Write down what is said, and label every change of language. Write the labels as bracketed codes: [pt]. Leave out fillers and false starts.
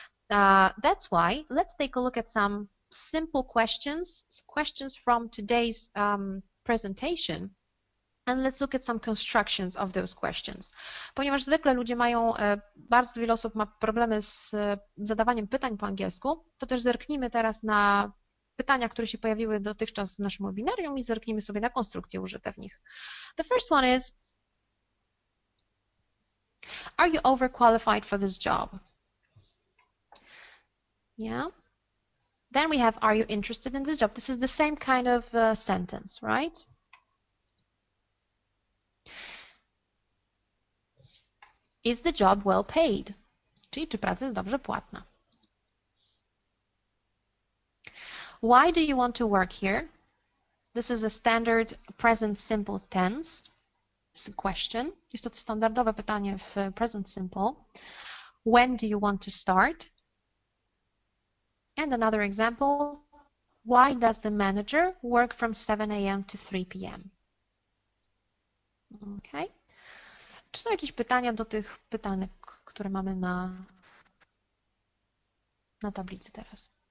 [en] That's why, let's take a look at some simple questions from today's presentation. And let's look at some constructions of those questions. [pl] Ponieważ zwykle ludzie mają, bardzo wiele osób ma problemy z zadawaniem pytań po angielsku, to też zerknijmy teraz na pytania, które się pojawiły dotychczas w naszym webinarium i zerknijmy sobie na konstrukcje użyte w nich. [en] The first one is, are you overqualified for this job? Yeah. Then we have, are you interested in this job? This is the same kind of sentence, right? Is the job well paid? [pl] Czyli czy praca jest dobrze płatna? [en] Why do you want to work here? This is a standard present simple tense question. [pl] Jest to standardowe pytanie w present simple. [en] When do you want to start? And another example. Why does the manager work from 7 a.m. to 3 p.m.? Okay. [pl] Czy są jakieś pytania do tych pytań, które mamy na tablicy teraz?